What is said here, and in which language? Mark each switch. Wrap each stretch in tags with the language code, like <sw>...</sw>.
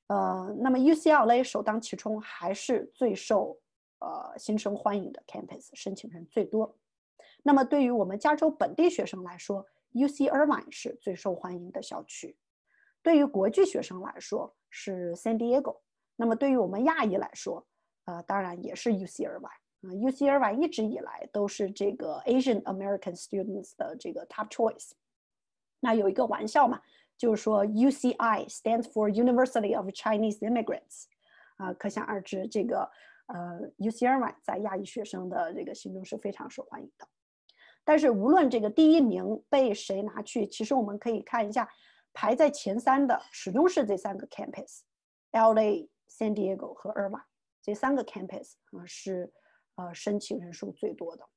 <zh>那么 UCLA 首当其冲，还是最受新生欢迎的 campus，申请人最多。那么对于我们加州本地学生来说，UC Irvine 是最受欢迎的校区。对于国际学生来说是 San Diego，那么对于我们亚裔来说，当然也是 UC Irvine。 UC Irvine 一直以来都是这个</zh> <en>Asian American students</en> <zh>的这个</zh> <en>top choice。</en> <zh>那有一个玩笑嘛，就是说</zh> <en>UCI stands for University of Chinese Immigrants。</en> <zh>可想而知，这个UC Irvine 在亚裔学生的这个心中是非常受欢迎的。但是无论这个第一名被谁拿去，其实我们可以看一下。排在前三的始终是这三个 campus，LA、San Diego 和 Irvine 这三个 campus 是申请人数最多的。</zh>